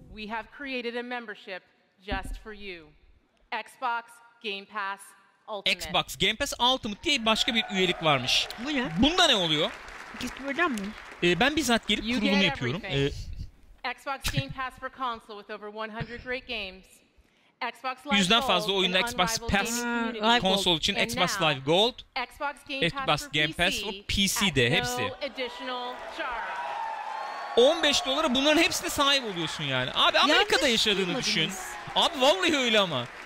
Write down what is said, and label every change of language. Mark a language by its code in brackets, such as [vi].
[en] We have created a membership just for you. Xbox Game Pass Ultimate. [tr] Xbox Game Pass Ultimate diye başka bir üyelik varmış. Bu ne? Bunda ne oluyor? Gizem mi? Ben bizzat gelip kurulumu yapıyorum. [en] Xbox Game Pass for console with over 100 great games. Xbox Live [tr] 100'den fazla oyunda Xbox Pass konsol için Xbox Live Gold, [en] Xbox Game Pass for [tr] PC'de hepsi. 15 dolara bunların hepsine sahip oluyorsun yani. Abi Amerika'da yaşadığını düşün. Abi vallahi öyle ama.